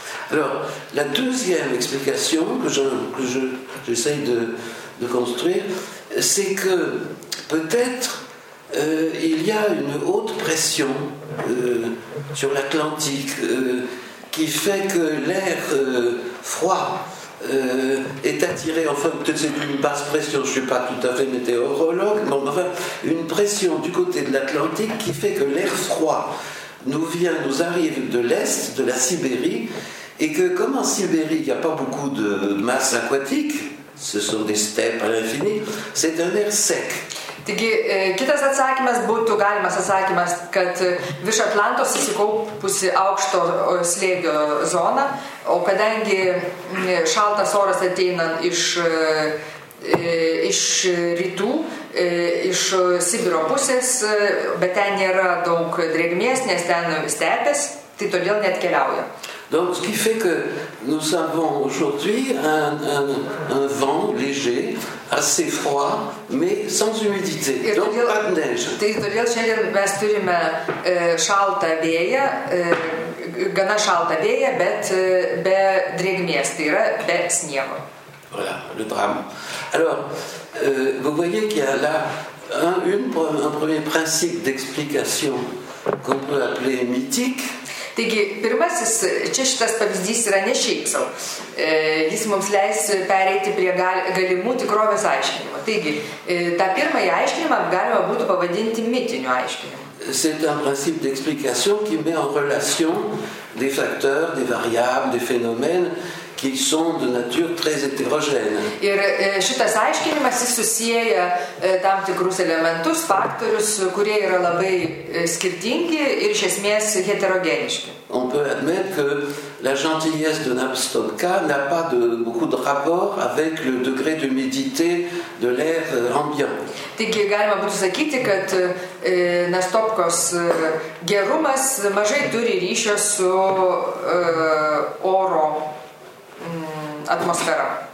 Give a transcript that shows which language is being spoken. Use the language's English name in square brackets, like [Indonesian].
[French] Alors, la deuxième explication que j'essaye de construire, c'est que peut-être il y a une haute pression sur l'Atlantique qui fait que l'air froid est attiré, enfin peut-être c'est une basse pression, je ne suis pas tout à fait météorologue, mais enfin une pression du côté de l'Atlantique qui fait que l'air froid nous arrive de l'Est, de la Sibérie. Et que comme en Sibérie, il n'y a pas beaucoup de masse aquatique, ce sont des steppes à l'infini, c'est un air sec. [Lithuanian] Taigi, kitas atsakymas būtų galimas atsakymas, kad virš Atlanto susikaupusi aukšto slėgio zona, o kadangi šaltas oras ateina iš rytų, iš Sibiro pusės, bet ten nėra daug drėgmės, nes ten stepės, tai todėl net keliauja. [French] Donc, ce qui fait que nous avons aujourd'hui un vent léger, assez froid, mais sans humidité. Et donc, [Lithuanian] todėl, [French] pas de neige. [Lithuanian] Tai todėl šiandien mes turime šaltą vėją, gana šaltą vėją, bet be drėgmės, tai yra be sniego. [French] Voilà, le drame. Alors, vous voyez qu'il y a là un premier principe d'explication qu'on peut appeler mythique. [Lithuanian] Taigi, pirmasis, čia šitas pavyzdys yra ne šiaip sau. Jis mums leis pereiti prie galimų tikrovės aiškinimo. Taigi, tą pirmąjį aiškinimą galima būtų pavadinti mitiniu aiškinimu. [French] C'est un principe d'explication qui met en relation des facteurs, des variables, des phénomènes qui sont de nature très hétérogène. [Lithuanian] Ir šitas aiškinimas jis susieja tam tikrus elementus, faktorius, kurie yra labai skirtingi ir iš esmės heterogeniški. [French] On peut admettre que la gentillesse de Nastopka n'a pas beaucoup de rapport avec le degré d'humidité de l'air ambiant. [Lithuanian] Taigi, galima būtų sakyti, kad Nastopkos gerumas mažai turi ryšio su oro atmosfera.